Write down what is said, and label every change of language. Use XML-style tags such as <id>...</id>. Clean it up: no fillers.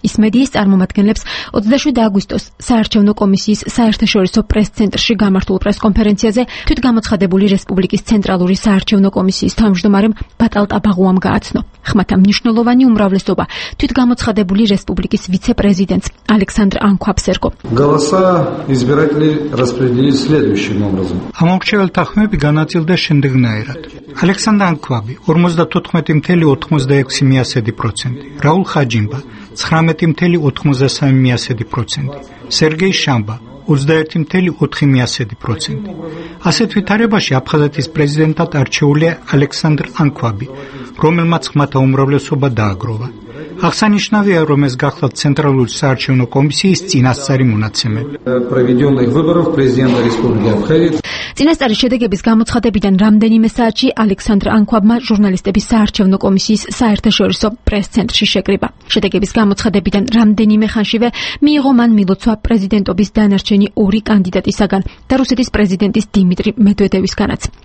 <ka>ის მედიის წარმომადგენლებს 27 აგვისტოს საარჩევნო კომისიის საერთაშორისო პრეს-ცენტრში გამართულ პრეს-კონფერენციაზე თვითგამოცხადებული რესპუბლიკის ცენტრალური საარჩევნო კომისიის თავმჯდომარემ ბატალ ტაბაღუამ გააცნო. ხმათა მნიშვნელოვანი უმრავლესობა თვითგამოცხადებული რესპუბლიკის ვიცე-პრეზიდენტს ალექსანდრ ანკვაბსერგო.</ka> <ru>Голоса избирателей распределились следующим образом.</ru> <ka>Амокчевელთა ხმები განაწილდა შემდეგნაირად. ალექსანდრ ანკვაბი 54.86%, რაულ ხაჯიმბა 19.83%, სერგეი შამბა 21.4%. ასეთ ვითარებაში აფხაზეთის პრეზიდენტად არჩეულია ალექსანდრ ანკვაბი, რომელმაც ხმათა უმრავლესობა დააგროვა. აღსანიშნავია, რომ ეს გახლავთ ცენტრალური საარჩევნო კომისიის წინასწარი მონაცემები.</ka> <ru>Проведённых выборов президента Республики Абхазия.</ru> <ka>წინასწარი შედეგების გამოცხადებიდან რამდენიმე საათში ალექსანდრ ანქვაბმა ჟურნალისტების საარჩევნო კომისიის საერთაშორისო პრეს-ცენტრში შეკრიბა. შედეგების გამოცხადებიდან რამდენიმე ხანშივე მიიღო მან მილოცვა პრეზიდენტობის დანარჩენი ორი კანდიდატისაგან და რუსეთის პრეზიდენტის დიმიტრი მედვედევისგანაც.</ka>